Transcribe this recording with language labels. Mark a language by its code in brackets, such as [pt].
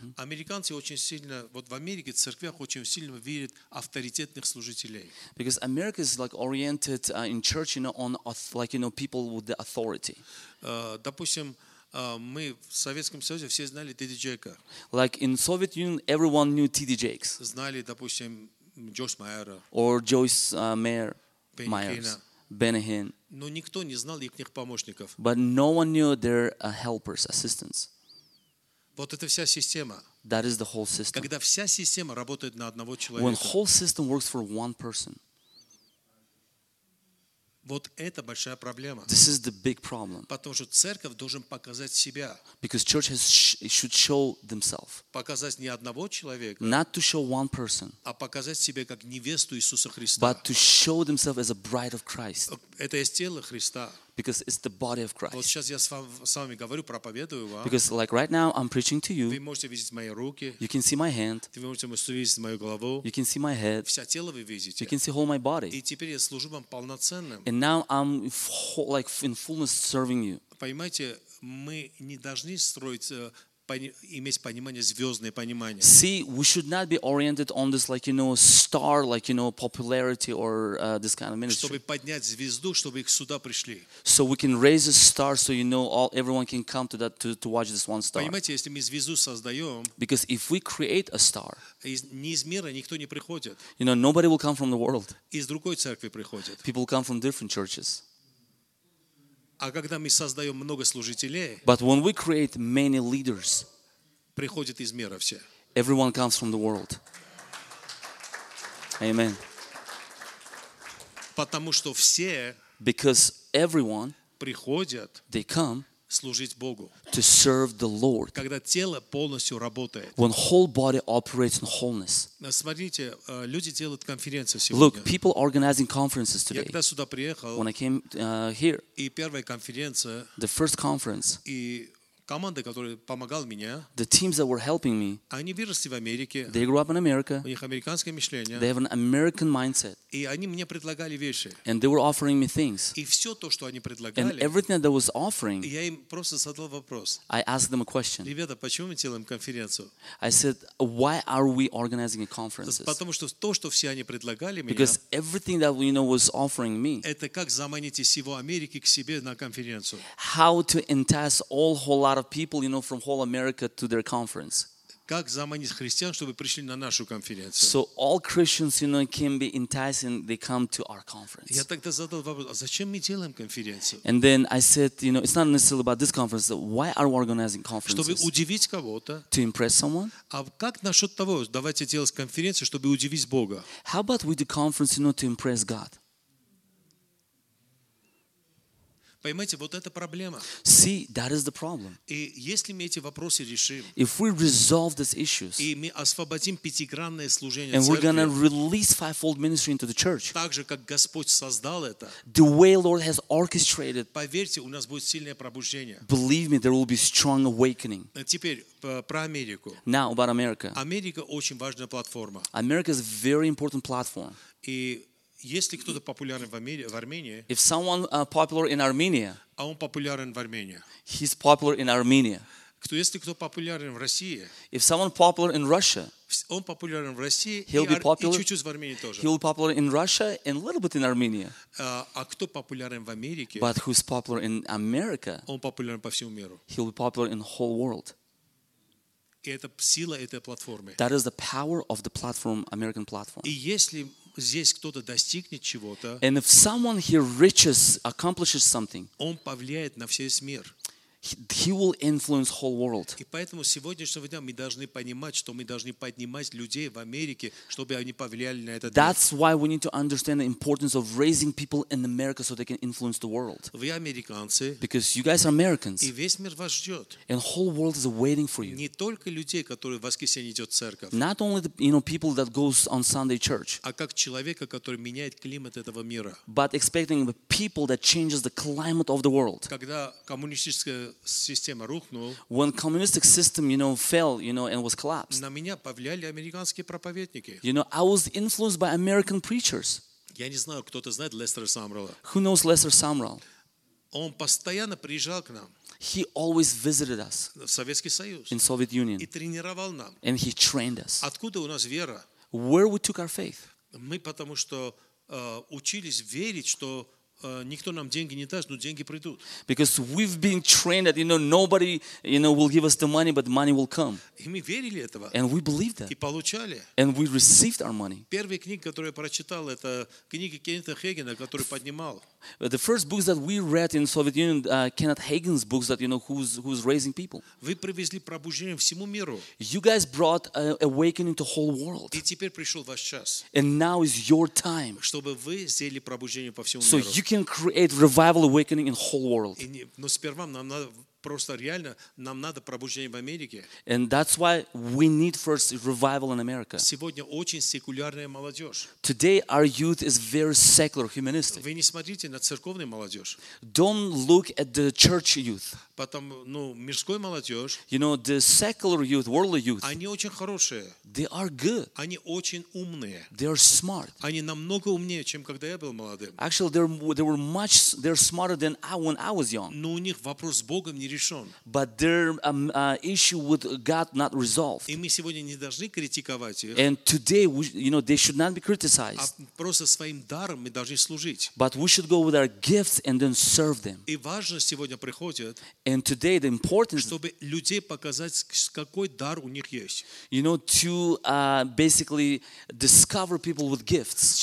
[ru] Американцы очень сильно, вот в Америке церквях очень сильно верят авторитетных служителей. [en] Because America is like oriented in church, you know, on like you know people with the authority. [ru] Допустим, мы в Советском Союзе все знали Тедди Джейка. [en] Like in Soviet Union, everyone knew Тедди Джейкс. [ru] Знали, допустим, Джойс Майера. [en] Or Joyce Mayer. Benihin. [ru] Но никто не знал их помощников. [en] But no one knew their helpers, assistants. [ru] Вот это вся система. [en] That is the whole system. [ru] Когда вся система работает на одного человека. [en] When whole system works for one person. [ru] Вот это большая проблема. [en] This is the big problem. [ru] Потому что церковь должен показать себя. [en] Because church has should show themselves. [ru] Показать не одного человека. [en] Not to show one person. [ru] А показать себя как невесту Иисуса Христа. [en] But to show themselves as a bride of Christ. [ru] Это есть тело Христа. [en] Because it's the body of Christ. [ru] Вот сейчас я с вами говорю, проповедую вам. [en] Because like right now I'm preaching to you. [ru] Вы можете видеть мои руки. [en] You can see my hand. [ru] Вы можете видеть мою голову. [en] You can see my head. [ru] Все тело вы видите. [en] You can see all my body. [ru] И теперь я служу вам полноценным. [en] And now I'm like in fullness serving you. [ru] Понимаете, мы не должны строить иметь понимание звездное понимание. [en] See, we should not be oriented on this, like you know, star, like you know, popularity or this kind of ministry. [ru] Чтобы поднять звезду, чтобы их сюда пришли. [en] So we can raise a star, so you know, all everyone can come to that to watch this one star. [ru] Понимаете, если мы звезду создаем. [en] Because if we create a star. [ru] Не из мира никто не приходит. [en] You know, nobody will come from the world. [ru] Из другой церкви приходят. [en] People come from different churches. [ru] А когда мы создаем много служителей, [en] but when we create many leaders, [ru] приходят из мира все. [en] Everyone comes from the world. Amen. [ru] Потому что все, [en] because everyone, [ru] приходят, [en] they come, [ru] служить Богу, [en] to serve the Lord. [ru] Когда тело полностью работает, [en] when whole body operates in wholeness. [ru] Смотрите, люди делают конференции сегодня. [en] Look, people organizing conferences today. [ru] Я когда сюда приехал, [en] when I came here, [ru] и первая конференция, [en] the first conference, [ru] и команда, которая помогала мне, [en] the teams that were helping me, [ru] они выросли в Америке, [en] they grew up in America, [ru] у них американское мышление, [en] they have an American mindset, [ru] и они мне предлагали вещи, [en] and they were offering me things, [ru] и все то, что они предлагали, [en] and everything that was offering, [ru] я им просто задал вопрос, [en] I asked them a question, [ru] ребята, почему мы делаем конференцию? [en] I said, why are we organizing a conference? [ru] Потому что то, что все они предлагали мне, [en] because everything that you know was offering me, [ru] это как заманить из всего Америки к себе на конференцию, [en] how to entice all whole lot of people, you know, from whole America to their conference. [ru] Как заманить христиан, чтобы пришли на нашу конференцию? [en] So all Christians, you know, can be enticed and they come to our conference. [ru] Я тогда задал вопрос, а зачем мы делаем конференцию? [en] And then I said, you know, it's not necessarily about this conference, why are we organizing conferences? [ru] Чтобы удивить кого-то. [en] To impress someone. [ru] А как насчет того, давайте делать конференцию, чтобы удивить Бога? [en] How about we do conference, you know, to impress God? [ru] Понимаете, вот это проблема. [en] See, that is the problem. [ru] И если мы эти вопросы решим, [en] if we resolve these issues, [ru] и мы освободим пятигранное служение, [en] and we're gonna release fivefold ministry into the church, [ru] так же как Господь создал это, [en] the way Lord has orchestrated, [ru] поверьте, у нас будет сильное пробуждение. [en] Believe me, there will be strong awakening. [ru] Теперь про Америку. [en] Now about America. [ru] Америка очень важная платформа. [en] America is a very important platform. [ru] И если кто-то популярен в Армении, [en] if someone popular in Armenia, [ru] а он популярен в Армении, [en] he's popular in Armenia. [ru] Кто, если кто популярен в России, [en] if someone popular in Russia, [ru] он популярен в России, [en] he'll be popular, [ru] и чуть-чуть в Армении тоже. [en] He'll be popular in Russia and a little bit in Armenia. [ru] А кто популярен в Америке? [en] But who's popular in America? [ru] Он популярен по всему миру. [en] He'll be popular in whole world. [ru] И это сила этой платформы. [en] That is the power of the platform, American platform. [ru] И если здесь кто-то достигнет чего-то, [en] and if someone here reaches, accomplishes something, [ru] он повлияет на весь мир. [en] He will influence whole world. [ru] И поэтому сегодняшнего дня мы должны понимать, что мы должны поднимать людей в Америке, чтобы они повлияли на этот мир. [en] That's why we need to understand the importance of raising people in America so they can influence the world. [ru] Вы американцы. [en] Because you guys are Americans. [ru] И весь мир вас ждет. [en] And whole world is waiting for you. [ru] Не только людей, которые в воскресенье идет в церковь. [en] Not only the, you know, people that goes on Sunday church. [ru] А как человека, который меняет климат этого мира. [en] But expecting the people that changes the climate of the world. [ru] Когда коммунистическая система рухнула. [en] When communistic system, you know, fell, you know, and was collapsed. [ru] На меня повлияли американские проповедники. [en] You know, I was influenced by American preachers. [ru] Я не знаю, кто-то знает Лестера Самрала. [en] Who knows Lester Sumrall? [ru] Он постоянно приезжал к нам. [en] He always visited us. [ru] В Советский Союз. [en] In Soviet Union. [ru] И тренировал нам. [en] And he trained us. [ru] Откуда у нас вера? [en] Where we took our faith? [ru] Мы потому что учились верить, что никто нам деньги не даст, но деньги придут. [en] Because we've been trained that, you know, nobody, you know, will give us the money, but money will come. [ru] И мы верили этого. [en] And we believed that. [ru] И получали. [en] And we received our money. [ru] Первые книги, которые я прочитал, это книги Кеннета Хейгена, который поднимал. [en] The first books that we read in Soviet Union, Kenneth Hagin's books, that, you know, who's raising people. [ru] Вы привезли пробуждение всему миру. [en] You guys brought awakening to whole world. [ru] И теперь пришел ваш час. [en] And now is your time. [ru] Чтобы вы сделали пробуждение по всему миру. [en] You can create revival awakening in whole world. [ru] Но сперва нам надо просто реально нам надо пробуждение в Америке. [en] And that's why we need first revival in America. [ru] Сегодня очень секулярная молодежь. [en] Today our youth is very secular, humanistic. [ru] Вы не смотрите на церковную молодежь. [en] Don't look at the church youth. [ru] Потом, ну, мирской молодежь. [en] You know, the secular youth, worldly youth. [ru] Они очень хорошие. [en] They are good. [ru] Они очень умные. [en] They are smart. [ru] Они намного умнее, чем когда я был молодым. [en] Actually, they're smarter than I when I was young. [ru] Но у них вопрос с Богом не решен. [en] But their issue with God not resolved. [ru] И мы сегодня не должны критиковать их. [en] And today, we, you know, they should not be criticized. [ru] А просто своим даром мы должны служить. [en] But we should go with our gifts and then serve them. [ru] И важно сегодня приходит. [en] And today the importance, [ru] чтобы людей показать, какой дар у них есть. [en] You know, to basically discover people with gifts.